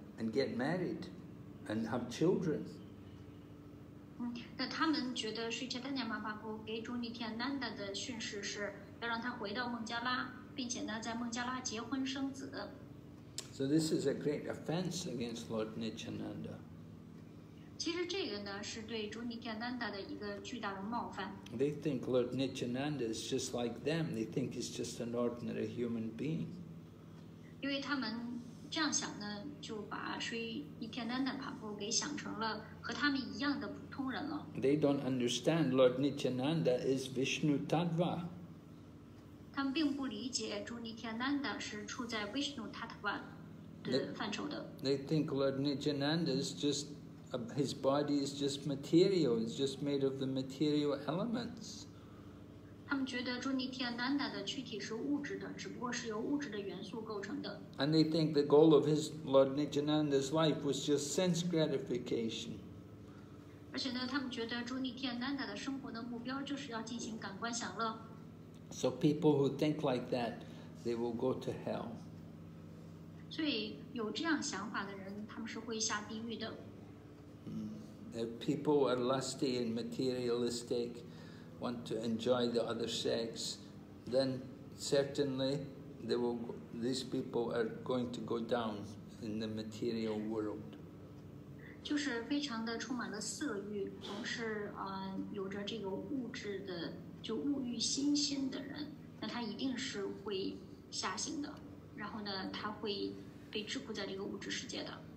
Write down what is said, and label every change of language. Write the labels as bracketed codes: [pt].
[en] And get married and have children. [zh] 那他们觉得是 Chaitanya Mahaprabhu 给主尼天南达的训示是要让他回到孟加拉，并且呢在孟加拉结婚生子。 [en] So this is a great offense against Lord Nityananda. [zh] 其实这个呢是对主尼天南达的一个巨大的冒犯。 [en] They think Lord Nityananda is just like them. They think he's just an ordinary human being. [zh] 因为他们这样想呢，就把 Sri Nityananda Prabhu 给想成了和他们一样的普通人了。 [en] They don't understand Lord Nityananda is Vishnu Tattva. [zh] 他们并不理解主尼天南达是处在 Vishnu Tattva 的范畴的。 [en] They think Lord Nityananda is just his body is just material. It's just made of the material elements. [zh] 他们觉得朱尼天南达的躯体是物质的，只不过是由物质的元素构成的。 [en] And they think the goal of his Lord Nityananda's life was just sense gratification. [zh] 而且呢，他们觉得朱尼天南达的生活的目标就是要进行感官享乐。 [en] So people who think like that, they will go to hell. [zh] 所以有这样想法的人，他们是会下地狱的。 [en] If people are lusty and materialistic. Want to enjoy the other sex, then certainly they will. These people are going to go down in the material world. [zh] 就是非常的充满了色欲，总是有着这个物质的就物欲心心的人，那他一定是会下行的。然后呢，他会被桎梏在这个物质世界的。